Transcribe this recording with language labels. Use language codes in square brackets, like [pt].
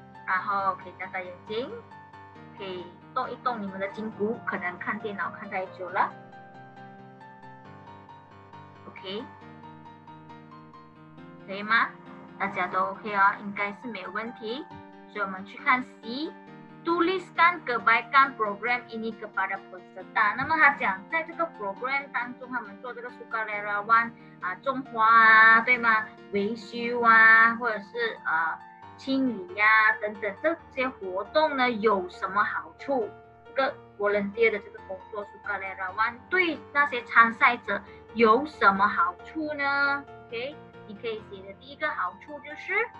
[zh] 然后可以戴戴眼镜，可以动一动你们的筋骨，可能看电脑看太久了。OK， 可以吗？大家都 OK 哦，应该是没有问题。所以我们去看 [ms] C， tuliskan kebaikan program ini kepada peserta。 [zh] 那么他讲，在这个 program 当中，他们做这个 sukarelawan 啊，种花啊，对吗？维修啊，或者是清理呀、啊、等等，这些活动呢有什么好处？这个 volunteer 的这个工作 sukarelawan 对那些参赛者有什么好处呢 ？OK， 你可以写的第一个好处就是。